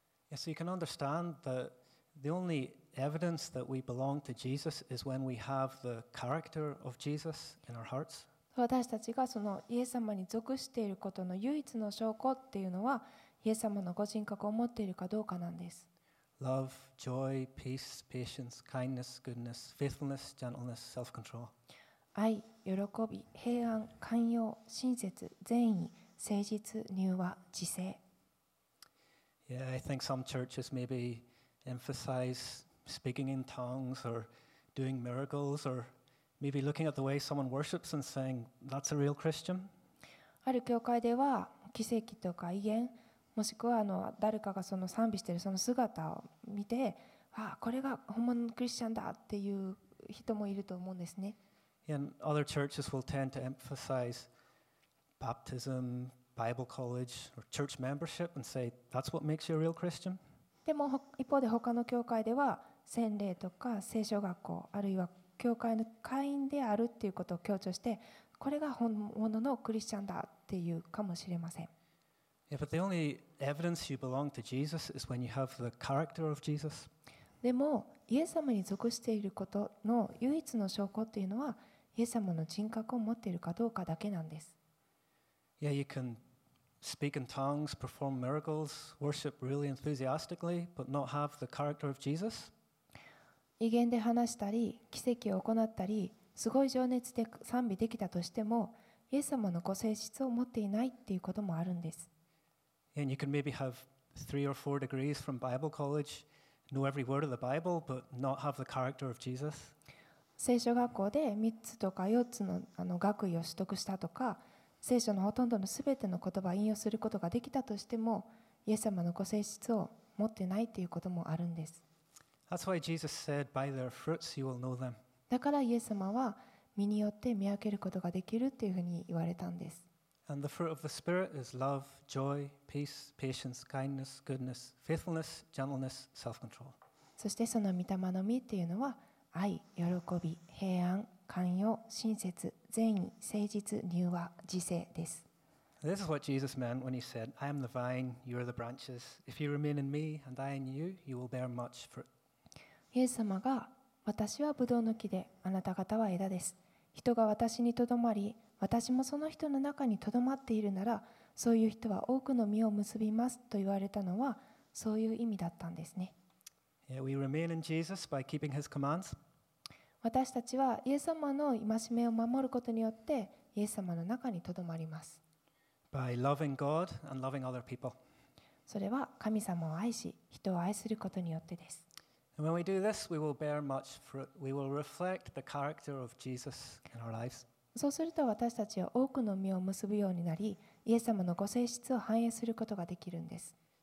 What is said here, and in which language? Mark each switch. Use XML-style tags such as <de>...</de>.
<en>Yes, you can understand that the only evidence that we belong to Jesus is when we have the character of Jesus in our hearts.</en> <ja>私たちがそのイエス様に属していることの唯一の証拠っていうのはイエス様のご人格を持っているかどうかなんです。</ja> <en>Love, joy, peace, patience, kindness, goodness, faithfulness, gentleness, self-control.</en> <ja>愛、喜び、平安、寛容、親切、善意、誠実、柔和、自制。</ja> <en>Yeah, I think some churches maybe emphasize speaking in tongues or doing miracles or. Maybe looking at the way someone worships and saying, "That's a real Christian."</en> <ja>ある教会では奇跡とか異言、もしくは誰かがその賛美しているその姿を見て、ああこれが本物のクリスチャンだっていう人もいると思うんですね。</ja> <en>And other churches will tend to emphasize baptism, Bible college, or church membership and say, "That's what makes you a real Christian."</en> <ja>でも一方で他の教会では洗礼とか聖書学校あるいは教会の会員であるということを強調して、これが本物のクリスチャンだっていうかもしれません。</ja> <en>Yeah, but the only evidence you belong to Jesus is when you have the character of Jesus.</en> <ja>でも、イエス様に属していることの唯一の証拠というのは、イエス様の人格を持っているかどうかだけなんです。</ja> <en>Yeah, you can speak in tongues, perform miracles, worship really enthusiastically, but not have the character of Jesus.</en> <ja>異言で話したり奇跡を行ったりすごい情熱で賛美できたとしてもイエス様のご性質を持っていないっていうこともあるんです。</ja> <en>And you can maybe have three or four degrees from Bible college, know every word of the Bible, but not have the character of Jesus.</en> <ja>聖書学校で3つとか4つの学位を取得したとか聖書のほとんどのすべての言葉を引用することができたとしてもイエス様のご性質を持っていないということもあるんです。</ja> <en>That's why Jesus said, by their fruits you will know them.</en> <ja>だからイエス様は身によって見分けることができるというふうに言われたんです。</ja> <en>And the fruit of the Spirit is love, joy, peace, patience, kindness, goodness, faithfulness, gentleness, self-control.</en> <ja>そしてその御霊の実というのは愛、喜び、平安、寛容、親切、善意、誠実、柔和、自制です。</ja> <en>This is what Jesus meant when he said, I am the vine, you are the branches. If you remain in me and I in you, you will bear much fruit.</en> <ja>イエス様が私はブドウの木であなた方は枝です。人が私にとどまり私もその人の中にとどまっているならそういう人は多くの実を結びますと言われたのはそういう意味だったんですね。</ja> <en>Yeah, we remain in Jesus by keeping his commands.</en> <ja>私たちはイエス様の戒めを守ることによってイエス様の中にとどまります。</ja> <en>by loving God and loving other people.</en> <ja>それは神様を愛し人を愛することによってです。</ja> <en>And when we do this, we will bear much fruit. We will reflect the character of Jesus in our lives.</en> <ja>そうすると私たちは多くの実を結ぶようになりイエス様のご性質を反映することができるんです。</ja>